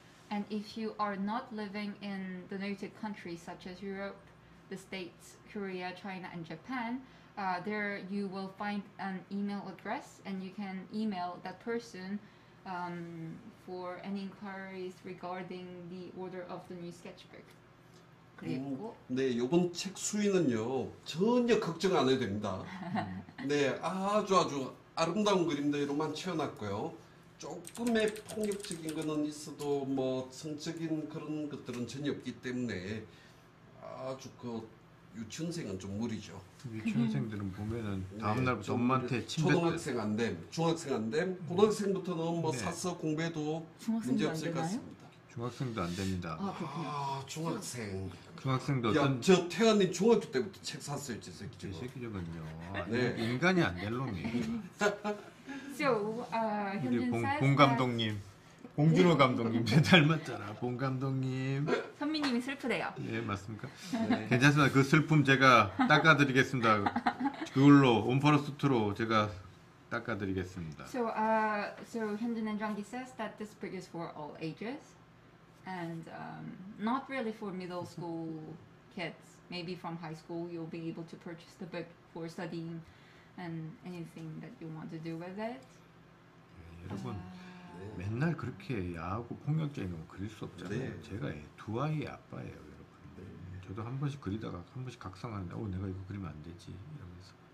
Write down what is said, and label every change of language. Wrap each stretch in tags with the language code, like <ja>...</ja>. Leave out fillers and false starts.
<en>And if you are not living in the noted countries such as Europe, the States, Korea, China, and Japan, there you will find an email address and you can email that person for any inquiries regarding the order of the new sketchbook.</en> <ko>그리고 네, 이번 책 수위는요, 전혀 걱정 안 해도 됩니다. 네, 아주 아주 아름다운 그림들로만 채워놨고요. 조금의 폭력적인 거는 있어도 뭐 성적인 그런 것들은 전혀 없기 때문에 아주 그 유치원생은 좀 무리죠. 유치원생들은 보면은 다음날부터 네, 엄마한테 초등학생 안 됨, 중학생 안 됨, 고등학생부터는 뭐 네. 사서 공부해도 문제 없을 것 같습니다. 중학생도 안 됩니다. 아 중학생. 중학생도 야, 어떤 저 태연님 중학교 때부터 책 샀어요, 저 새끼. 저 새끼적은요. 네. 인간이 안 될 놈이.</ko> <en>So, 현진</en> <ko>봉, 봉 감독님, 봉준호 감독님 제 닮았잖아, 봉 감독님. 선미님이 슬프대요. 네, 맞습니까? 네. 괜찮습니다. 그 슬픔 제가 닦아드리겠습니다. 그걸로 온퍼러스트로 제가 닦아드리겠습니다.</ko> <en>So, so 현진 and 정기 says that this book is for all ages, and not really for middle school kids. Maybe from high school you'll be able to purchase the book for studying. and anything that you want to do with it.</en> <ko>여러분 맨날 그렇게 야하고 폭력적인 건 그릴 수 없잖아요. 제가 두 아이의 아빠예요, 여러분. 저도 한 번씩 그리다가 한 번씩 각성하는데, 오, 내가 이거 그리면 안 되지 이러면서.</ko>